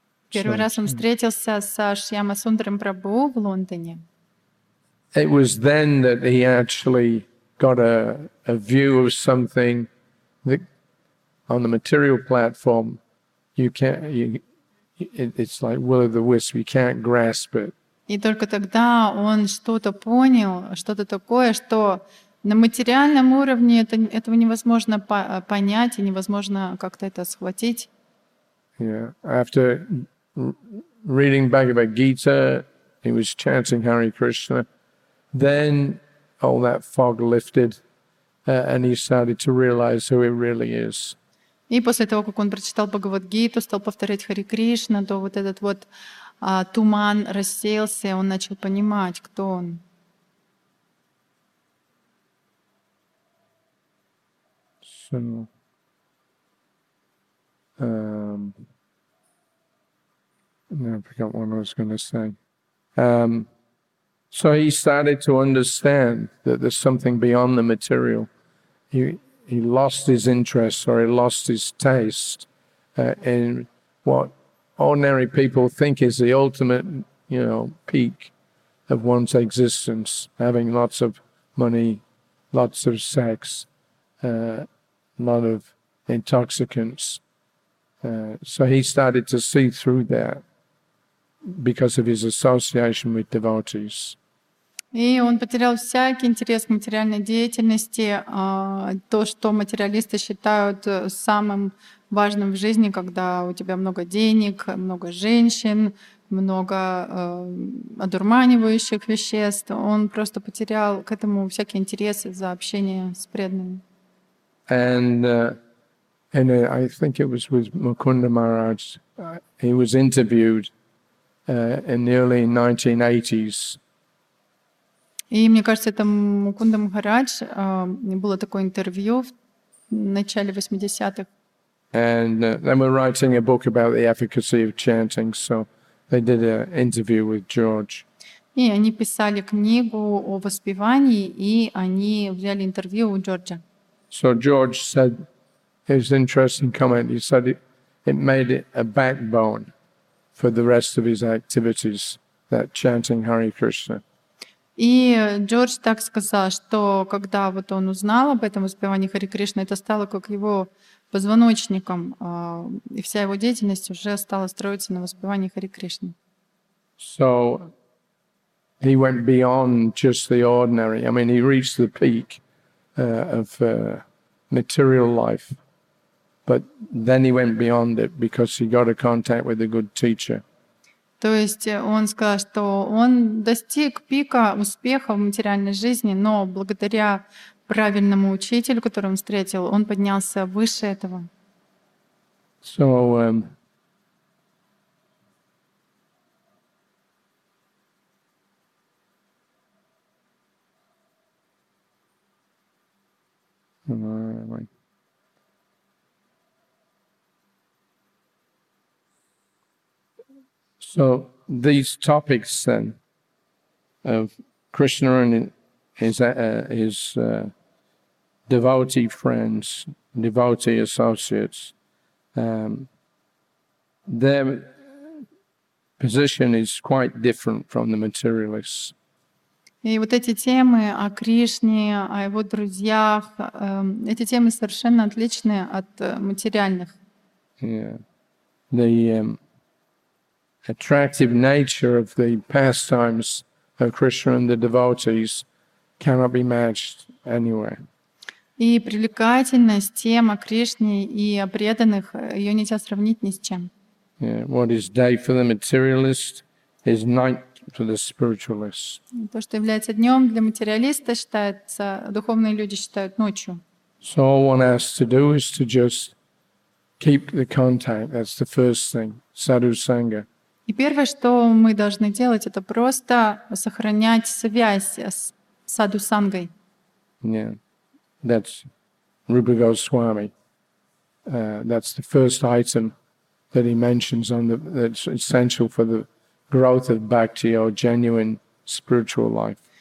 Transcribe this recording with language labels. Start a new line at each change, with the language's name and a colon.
Russian: Первый раз он встретился с Шьяма Сундаром Прабху в Лондоне.
English: It was then that he actually got a view of something that on the material platform. It's like will of the wisp. You can't grasp it.
Russian: И только тогда он что-то понял, что-то такое, что на материальном уровне этого невозможно понять и невозможно как-то это схватить.
English: Yeah. After reading Bhagavad Gita, he was chanting Hare Krishna. Then all that fog lifted, and he started to realize who he really is.
Russian: И после того, как он прочитал Бхагавад-гиту, стал повторять Хари Кришна, то вот этот вот туман рассеялся, он начал понимать, кто он.
English: So, I forgot what I was going to say. So he started to understand that there's something beyond the material. He lost his interest, or he lost his taste in what ordinary people think is the ultimate, you know, peak of one's existence, having lots of money, lots of sex, a lot of intoxicants. So he started to see through that because of his association with devotees.
Russian: И он потерял всякий интерес к материальной деятельности, то, что материалисты считают самым важным в жизни, когда у тебя много денег, много женщин, много одурманивающих веществ. Он просто потерял к этому всякий интерес из-за общения с преданными.
English: And I think it was with Mukunda Maharaj. He was interviewed in the early 1980s.
Russian: И мне кажется, это Мукунда Махарадж, было такое интервью в начале 80-х.
English: And they were writing a book about the efficacy of chanting, so they did an interview with George.
Russian: И они писали книгу о воспевании, и они взяли интервью у Джорджа.
English: So George said, it was an interesting comment, he said it made it a backbone for the rest of his activities, that chanting Hare Krishna.
Russian: И Джордж так сказал, что когда вот он узнал об этом воспевании Хари Кришны, это стало как его позвоночником, и вся его деятельность уже стала строиться на воспевании Хари Кришны.
English: So he went beyond just the ordinary. I mean, he reached the peak of material life, but then he went beyond it because he got a contact with a good teacher.
Russian: То есть он сказал, что он достиг пика успеха в материальной жизни, но благодаря правильному учителю, которого он встретил, он поднялся выше этого.
English: So, So these topics then of Krishna and his devotee friends, devotee associates, their position is quite different from the materialists.
Russian: И вот эти темы о Кришне, о его друзьях, эти темы совершенно отличны от материальных.
English: Yeah. The attractive nature of the pastimes of Krishna and the devotees cannot be matched anywhere.
Russian: И привлекательность тем о Кришне и о преданных, ее нельзя сравнить ни с чем.
English: Yeah. What is day for the materialist is night to the spiritualist.
Russian: То, что является днем для материалиста, считается, духовные люди считают ночью.
English: So all one has to do is to just keep the contact. That's the first thing. Sadhu Sangha.
Russian: И первое, что мы должны делать, это просто сохранять связь с Sadhu Sanghai.
English: Yeah. That's Rupa Goswami. That's the first item that he mentions on the that's essential for the growth of bhakti or genuine spiritual life.